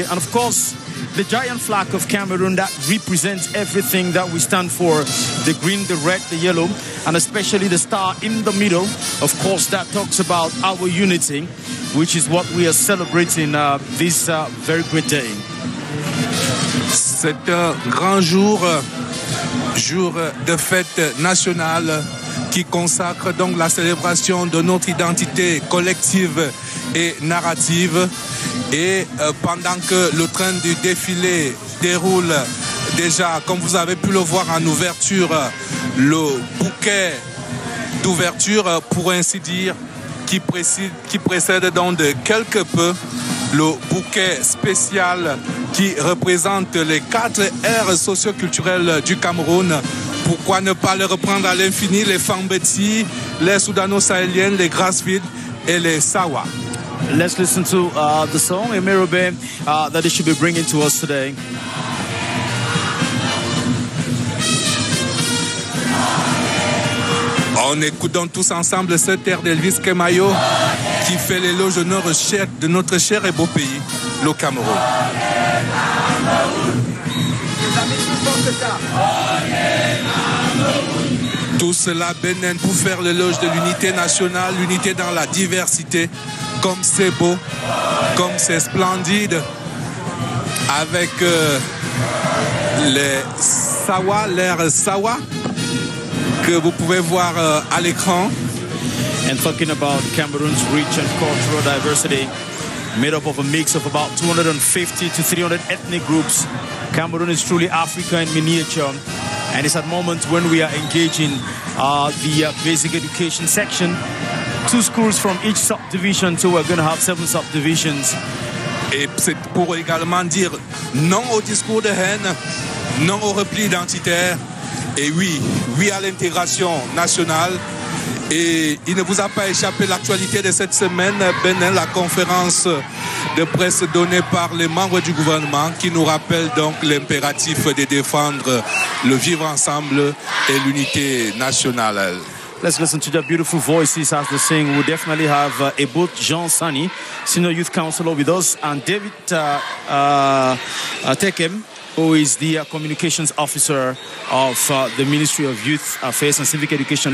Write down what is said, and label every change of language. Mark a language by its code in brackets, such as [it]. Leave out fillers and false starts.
[en] And of course, the giant flag of Cameroon that represents everything that we stand for, the green, the red, the yellow, and especially the star in the middle, of course, that talks about our unity, which is what we are celebrating this very great day. [fr] C'est un grand jour, jour de fête nationale qui consacre donc la célébration de notre identité collective et narrative. Et pendant que le train du défilé déroule déjà, comme vous avez pu le voir en ouverture, le bouquet d'ouverture, pour ainsi dire, qui précède donc de quelque peu le bouquet spécial qui représente les quatre aires socioculturelles du Cameroun. Pourquoi ne pas les reprendre à l'infini, les Fambeti, les Soudano-Sahéliennes, les Grassfield et les Sawa. [en] Let's listen to the song, Emirobe, that it should be bringing to us today. [fr] On écoute donc tous ensemble cette air d'Elvis Kemayo qui fait l'éloge honneur cher de notre cher et beau pays, le Cameroun. Tout cela, Bénin, pour faire l'éloge de l'unité nationale, l'unité dans la diversité, comme c'est beau, comme c'est splendide, avec les Sawa, l'air Sawa, que vous pouvez voir à l'écran. [en] And talking about Cameroon's rich and cultural diversity, made up of a mix of about 250 to 300 ethnic groups, Cameroon is truly Africa in miniature. And it's at moments when we are engaging the basic education section. Two schools from each subdivision, so we're going to have seven subdivisions. [fr] Et c'est pour également dire non au discours de haine, non au repli identitaire, et oui, oui à l'intégration nationale. Et il ne vous a pas échappé l'actualité de cette semaine, Bénin, la conférence de presse donnée par les membres du gouvernement qui nous rappelle donc l'impératif de défendre le vivre ensemble et l'unité nationale. [en] Let's listen to their beautiful voices as they sing. We'll definitely have Ebot Jean Sani, Senior Youth Counselor with us, and David Tekem, who is the Communications Officer of the Ministry of Youth Affairs and Civic Education.